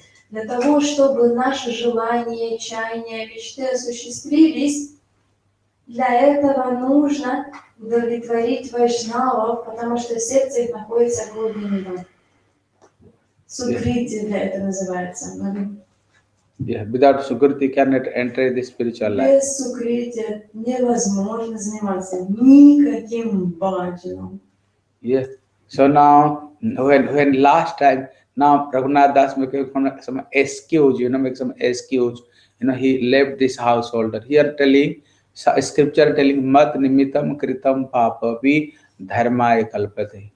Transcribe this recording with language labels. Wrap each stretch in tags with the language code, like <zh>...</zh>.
<ru>Для того, чтобы наши желания, чаяния, мечты осуществились, для этого нужно удовлетворить вайшнавов, потому что сердце их находится в глубине. Сукрити для этого называется.</ru> <en>Yeah, without Sukriti cannot enter the spiritual life.</en> <ru>Без сукрити невозможно заниматься никаким баджаном.</ru> <en>Yes. So now, when last time, now Raghunath Das make some excuse, you know, make some excuse. You know, he left this householder. Here telling, scripture telling</en> <sa>mat nimitam kritam papa vi dharmaya kalpate.</sa>